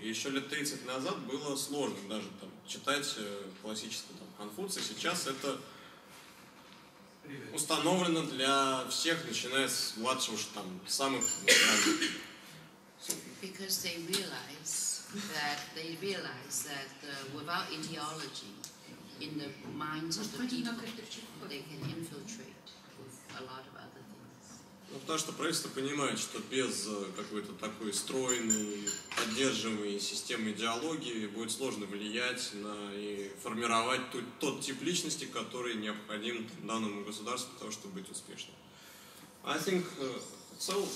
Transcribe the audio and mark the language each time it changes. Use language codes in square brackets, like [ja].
[ru] И еще лет 30 назад было сложно даже там читать классическую там Конфуцию. Сейчас это установлено для всех, начиная с младшего, там, самых ранних. [en] Because they realize that without ideology in the minds of the people, they can infiltrate with a lot of other things. [ru] Ну, потому что правительство понимает, что без какой-то такой стройной, поддерживаемой системы идеологии будет сложно влиять на и формировать тот тип личности, который необходим данному государству для того, чтобы быть успешным. [en] I think so.